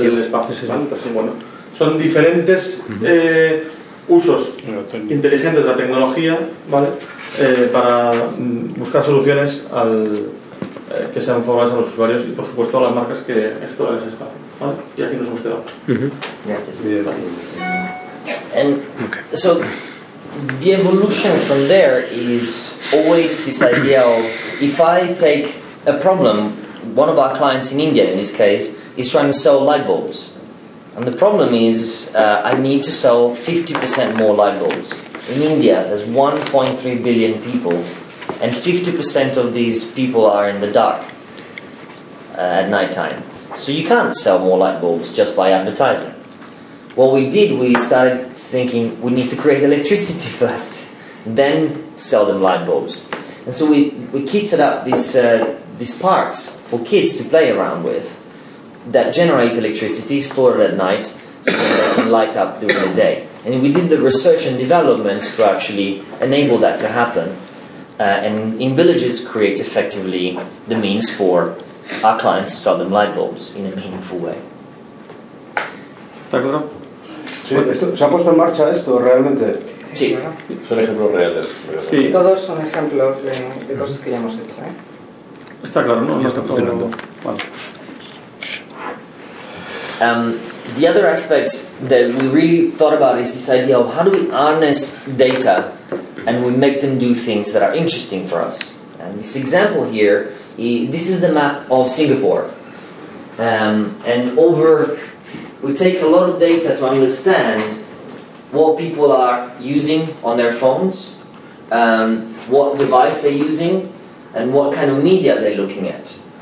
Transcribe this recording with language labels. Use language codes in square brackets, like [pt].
[es] El espacio, sí, sí. Bueno, son diferentes usos inteligentes de la tecnología, ¿vale? Para buscar soluciones al, que sean favorables a los usuarios y, por supuesto, a las marcas que exploran ese espacio, ¿vale? Y aquí nos hemos quedado. Gracias. Bien. [en] The evolution from there is always this idea of, if I take a problem, one of our clients in India in this case is trying to sell light bulbs, and the problem is I need to sell 50% more light bulbs. In India there's 1.3 billion people, and 50% of these people are in the dark at night time, so you can't sell more light bulbs just by advertising. What we did, we started thinking we need to create electricity first, then sell them light bulbs. And so we kitted up these parks for kids to play around with that generate electricity, store it at night, so that they can light up during the day. And we did the research and developments to actually enable that to happen, and in villages create effectively the means for our clients to sell them light bulbs in a meaningful way. [es] Sí, esto, ¿se ha puesto en marcha esto realmente? Sí. Son ejemplos reales. Sí. Todos son ejemplos de cosas que ya hemos hecho, ¿eh? Está claro, ¿no? Ya está funcionando. Vale. [en] The other aspect that we really thought about is this idea of how do we harness data and we make them do things that are interesting for us. And this example here, this is the map of Singapore. And over... We take a lot of data to understand what people are using on their phones, what device they're using, and what kind of media they're looking at.